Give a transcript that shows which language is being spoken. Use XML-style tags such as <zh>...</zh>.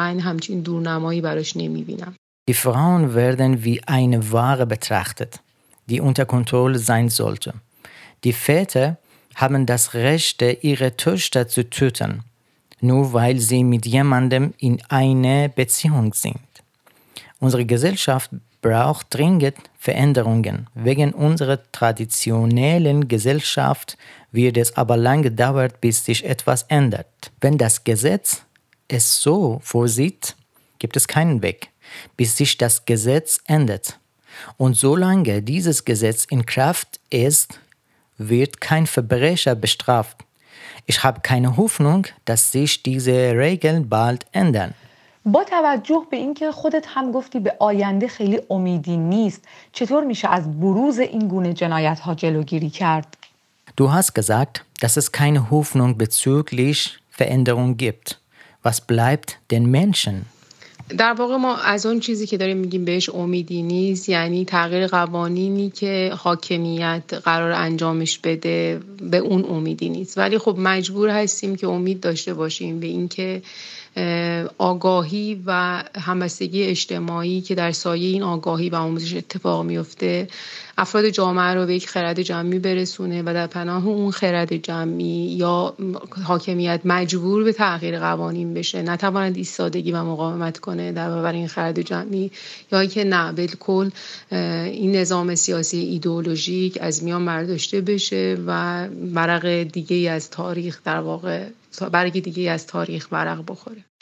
<fa>من همچین دورنمایی براش نمی‌بینم.</fa> <de>Die Frauen werden wie eine Ware betrachtet, die unter Kontrolle sein sollte. Die Väter haben das Recht, ihre Töchter zu töten, nur weil sie mit jemandem in einer Beziehung sind. Unsere Gesellschaft braucht dringend Veränderungen. Wegen unserer traditionellen Gesellschaft wird es aber lange dauern, bis sich etwas ändert. Wenn das Gesetz es so vorsieht, gibt es keinen Weg, bis sich das Gesetz ändert. Und solange dieses Gesetz in Kraft ist, wird kein Verbrecher bestraft. Ich habe keine Hoffnung, dass sich diese Regeln bald ändern.</de> <fa>با توجه به اینکه خودت هم گفتی به آینده خیلی امیدی نیست، چطور میشه از بروز این گونه جنایت‌ها جلوگیری کرد؟</fa> <de>Du hast gesagt, dass es keine Hoffnung bezüglich Veränderung gibt. Was bleibt den Menschen?</de> <fa>در واقع ما از اون چیزی که داریم میگیم بهش امیدی نیست، یعنی تغییر قوانینی که حاکمیت قرار انجامش بده به اون امیدی نیست، ولی خب مجبور هستیم که امید داشته باشیم به اینکه آگاهی و همبستگی اجتماعی که در سایه این آگاهی و آموزش اتفاق میفته افراد جامعه رو به یک خرد جمعی برسونه و در پناه اون خرد جمعی یا حاکمیت مجبور به تغییر قوانین بشه، نتواند ایستادگی و مقاومت کنه در برابر این خرد جمعی، یا اینکه نه بالکل این نظام سیاسی ایدئولوژیک از میان برداشته بشه و برق دیگه ای از تاریخ در واقع برگی دیگه از تاریخ ورق بخوره.</fa>